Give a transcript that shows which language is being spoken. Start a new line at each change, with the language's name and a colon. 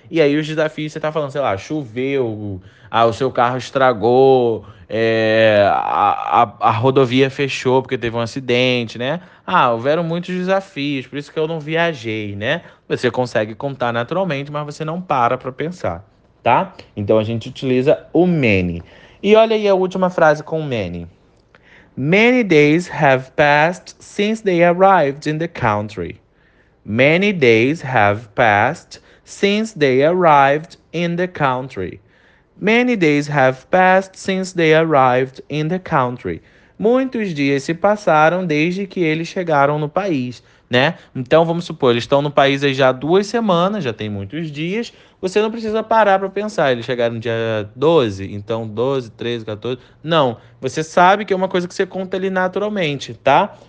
Portuguese: E aí, os desafios, você tá falando, sei lá, choveu, o seu carro estragou, a rodovia fechou porque teve um acidente, né? Ah, houveram muitos desafios, por isso que eu não viajei, né? Você consegue contar naturalmente, mas você não para pra pensar, tá? Então a gente utiliza o many. E olha aí a última frase com o many.
English: Many days have passed since they arrived in the country. Many days have passed since they arrived in the country. Many days have passed since they arrived in the country.
Portuguese: Muitos dias se passaram desde que eles chegaram no país, né? Então vamos supor, eles estão no país aí já há 2 semanas, já tem muitos dias. Você não precisa parar para pensar, eles chegaram no dia 12, então 12, 13, 14. Não, você sabe que é uma coisa que você conta ali naturalmente, tá?